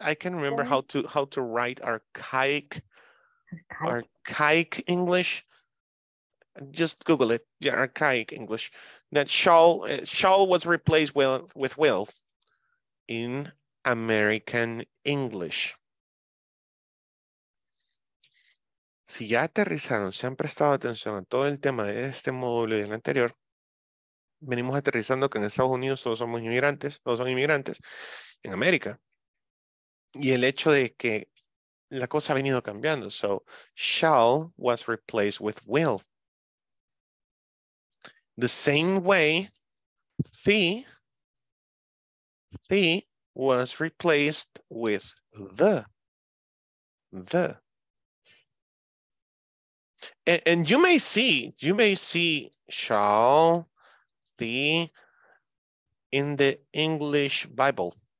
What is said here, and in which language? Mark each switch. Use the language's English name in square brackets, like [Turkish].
[English] I can remember how to write archaic English. Just Google it. Yeah, archaic English. That shall was replaced with will in American English. [Spanish] Si ya aterrizaron, si han prestado atención a todo el tema de este módulo y del anterior, venimos aterrizando que en Estados Unidos todos somos inmigrantes, todos son inmigrantes en América. Y el hecho de que la cosa ha venido cambiando. [English] So, shall was replaced with will. The same way, the was replaced with the. And you may see shall, the, in the English Bible.